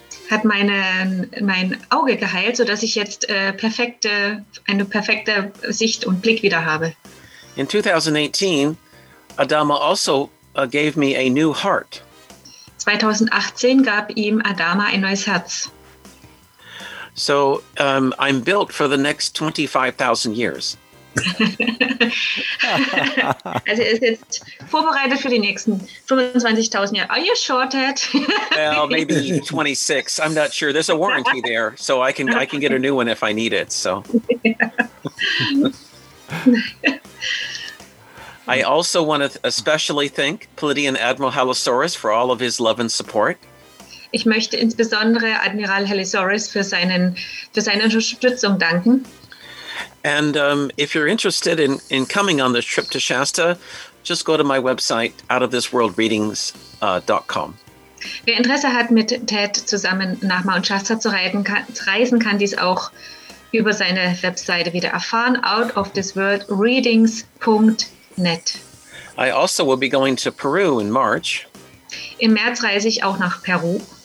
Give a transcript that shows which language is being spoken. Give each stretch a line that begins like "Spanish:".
German: Hat mein Auge geheilt, so dass ich jetzt eine perfekte Sicht und Blick wieder habe.
English: In 2018, Adama also gave me a new heart.
German: 2018 gab ihm Adama ein neues Herz.
English: So I'm built for the next 25,000 years.
German: Also er ist jetzt vorbereitet für die nächsten 25.000 Jahre.
English: Are you sure, Dad? Well, maybe 26. I'm not sure. There's a warranty there, so I can get a new one if I need it. So. I also want to especially thank Palladian Admiral Halosaurus for all of his love and support.
German: Ich möchte insbesondere Admiral Halosaurus für seine Unterstützung danken.
English: And if you're interested in coming on this trip to Shasta, just go to my website outofthisworldreadings.com.
German: Wer Interesse hat, mit Ted zusammen nach Mount Shasta zu reisen, kann dies auch über seine Webseite wieder erfahren, outofthisworldreadings.net.
English: I also will be going to Peru in March.
German: Im März reise ich auch nach Peru.